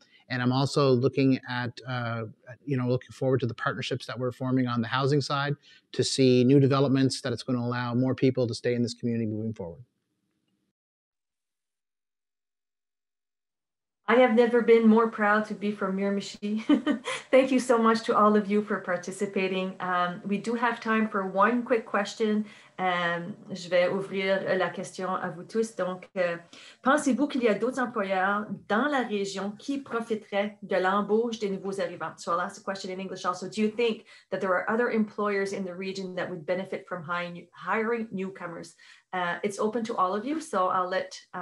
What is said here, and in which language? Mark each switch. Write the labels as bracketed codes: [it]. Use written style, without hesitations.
[en] And I'm also looking at, looking forward to the partnerships that we're forming on the housing side to see new developments that it's going to allow more people to stay in this community moving forward. I have never been more proud to be from Miramichi. Thank you so much to all of you for participating. We do have time for one quick question. [fr] Je vais ouvrir la question à vous tous. Donc, pensez-vous qu'il y a d'autres employeurs dans la région qui profiteraient de l'embauche des nouveaux arrivants? [en] So I'll ask the question in English also. Do you think that there are other employers in the region that would benefit from hiring newcomers? It's open to all of you, so I'll let...